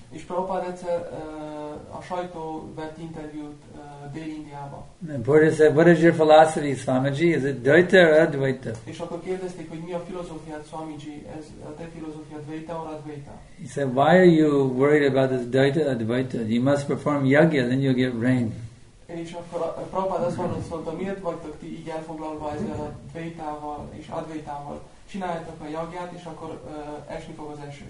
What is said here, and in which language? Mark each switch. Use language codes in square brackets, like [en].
[hu] És Prabhupada egyszer a sajtó vett interjút Dél-Indiában. [en] And Buddha said, what is your philosophy, Swamiji? Is it Dvaita or Advaita? [hu] És akkor kérdezték, hogy mi a filozófiád, Swamiji? Ez a te filozófiád Dvaita or Advaita? [en] He said, why are you worried about this Dvaita Advaita? You must perform yagya, then you'll get rain. [hu] És akkor Prabhupada azt mondta, miért vagytok ti így elfoglalva ezzel a Dvaitával és Advaitával? Csináljátok a jagját, és akkor esni fog az eső.